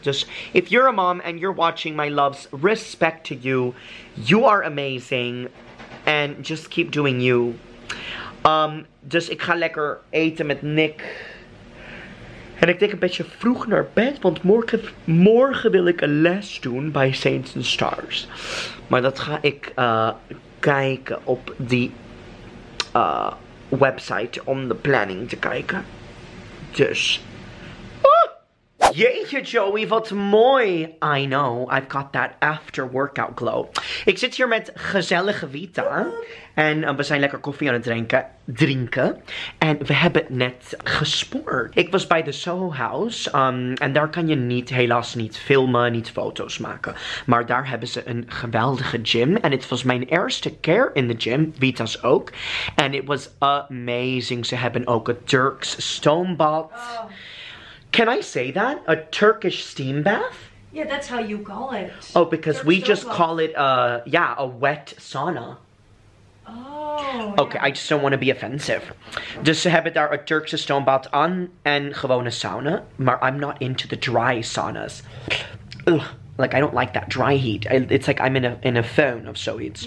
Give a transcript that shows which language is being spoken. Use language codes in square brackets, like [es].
[nl] Dus [en] if you're a mom and you're watching, my loves, respect to you. You are amazing. And just keep doing you. [nl] Dus ik ga lekker eten met Nick. En ik denk een beetje vroeg naar bed, want morgen wil ik een les doen bij Saints and Stars. Maar dat ga ik kijken op die website om de planning te kijken. Dus. Jeetje, Joey, wat mooi. [en] I know, I've got that after workout glow. [nl] Ik zit hier met gezellige Vita. En we zijn lekker koffie aan het drinken. En we hebben het net gespoord. Ik was bij de Soho House. En daar kan je helaas niet filmen, niet foto's maken. Maar daar hebben ze een geweldige gym. En het was mijn eerste keer in de gym. Vita's ook. En [en] it was amazing. [nl] Ze hebben ook een Dirk's Stone Bath. [en] Can I say that? A Turkish steam bath? Yeah, that's how you call it. Oh, because Turkish we just call it a wet sauna. Oh. Okay, yeah. I just don't want to be offensive. [nl] Dus ze hebben daar a Turkse stone bath aan en gewone sauna, maar [en] I'm not into the dry saunas. Like, I don't like that dry heat. It's like I'm in a phone [nl] of zoiets.